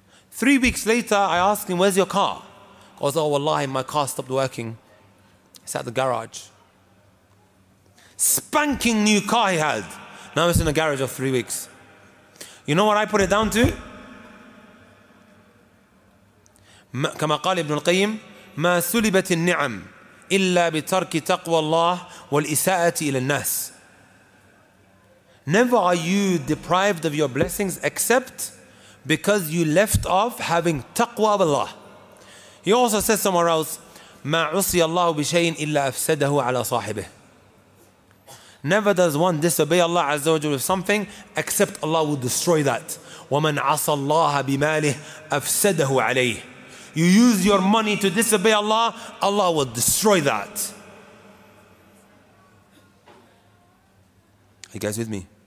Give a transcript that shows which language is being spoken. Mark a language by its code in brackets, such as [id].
[en] 3 weeks later, I ask him, where's your car? He goes, oh, wallahi, my car stopped working. It's at the garage. Spanking new car he had. Now it's in the garage for 3 weeks. You know what I put it down to? [ar] كما قال ابن القيم, ما سلبت النعم إلا بترك تقوى الله والإساءة إلى الناس. [en] Never are you deprived of your blessings except because you left off having taqwa of Allah. He also says somewhere else, [ar] ما عصي الله بشيء إلا أفسده على صاحبه. [en] Never does one disobey Allah Azza wa Jalla with something except Allah will destroy that. [ar] ومن عصى الله بماله أفسده عليه. [en] You use your money to disobey Allah, Allah will destroy that. Are you guys with me?